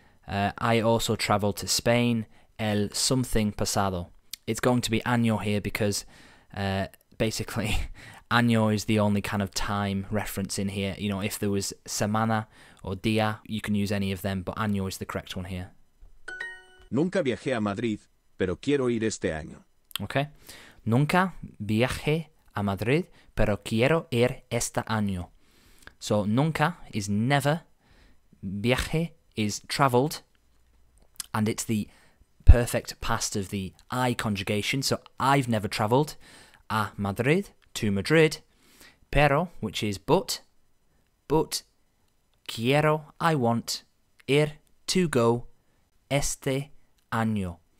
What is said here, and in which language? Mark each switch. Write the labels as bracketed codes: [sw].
[en] I also traveled to Spain, [es] el something pasado. [en] It's going to be año here because, basically, año is the only kind of time reference in here. You know, if there was semana or día, you can use any of them, but año is the correct one here. [es] Nunca viajé a Madrid, pero quiero ir este año. [en] Okay. [es] Nunca viajé a Madrid, pero quiero ir este año. [en] So, nunca is never. Viaje is traveled. And it's the perfect past of the I conjugation. So, I've never traveled a Madrid, to Madrid. Pero, which is but. But. Quiero, I want, ir, to go, [es] este año.